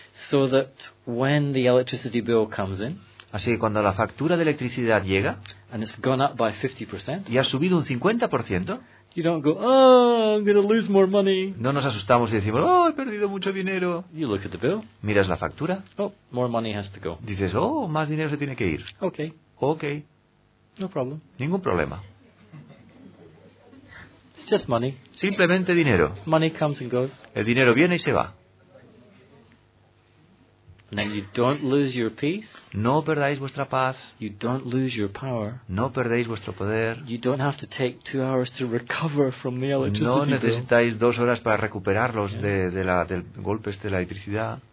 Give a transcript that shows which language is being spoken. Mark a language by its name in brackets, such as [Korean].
[English] So that when the electricity bill comes in. [Spanish] Así que cuando la factura de electricidad llega. [English] And it's gone up by 50%. [Spanish] Y ha subido un 50%. [English] You don't go, oh, I'm going to lose more money. [Spanish] No nos asustamos y decimos, oh, he perdido mucho dinero. [English] You look at the bill. [Spanish] Miras la factura. [English] Oh, more money has to go. [Spanish] Dices, oh, más dinero se tiene que ir. [English] Okay. [Spanish] Okay. [English] No problem. [Spanish] Ningún problema. [English] It's just money. [Spanish] Simplemente dinero. [English] Money comes and goes. [Spanish] El dinero viene y se va. [English] Then you don't lose your peace. [Spanish] No perdáis vuestra paz. [English] You don't lose your power. [Spanish] No perdéis vuestro poder. [English] You don't have to take 2 hours to recover from the electricity. [Spanish] No necesitáis 2 horas para recuperarlos del golpe este de la electricidad.